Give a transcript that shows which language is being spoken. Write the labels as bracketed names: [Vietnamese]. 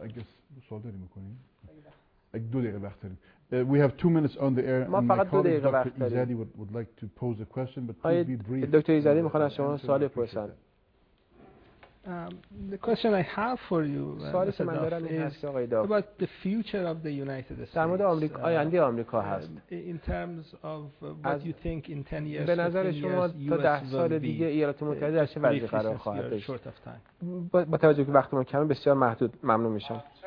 [English] I guess [Persian] سوال داری میکنی؟ دو دقیقه وقت داریم. [English] We have 2 minutes on the air. [Persian] ما فقط دو دقیقه وقت داریم. [English] Dr. Izadi would like to pose a question, but please be brief. [Persian] دکتر ایزدی میخوان از شما سوالی بپرسن. [English] The question I have for you, Mr. Duff, is about the future of the United States. [Persian] در مورد آمریکا، آینده آمریکا هست. [English] In terms of what you think in 10 years, [Persian] به نظر شما تا 10 سال دیگه ایالات متحده در چه وضعی قرار خواهد داشت؟ با توجه به وقتمون کمه بسیار محدود، ممنون میشم.